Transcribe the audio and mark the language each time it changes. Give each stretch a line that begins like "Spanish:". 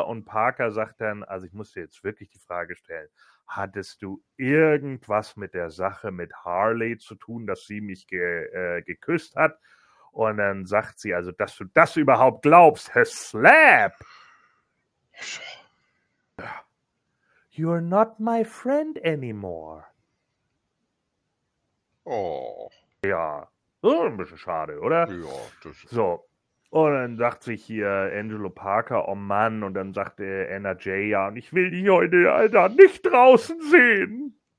German: Und Parker sagt dann, also ich muss dir jetzt wirklich die Frage stellen, hattest du irgendwas mit der Sache mit Harley zu tun, dass sie mich geküsst hat? Und dann sagt sie, also dass du das überhaupt glaubst, Herr Slap.
English: You're not my friend anymore. Oh.
German: Ja, so ein bisschen schade, oder? Ja, das ist... So, und dann sagt sich hier Angelo Parker, oh Mann, und dann sagt Anna Jay, ja, und ich will dich heute, Alter, nicht draußen sehen.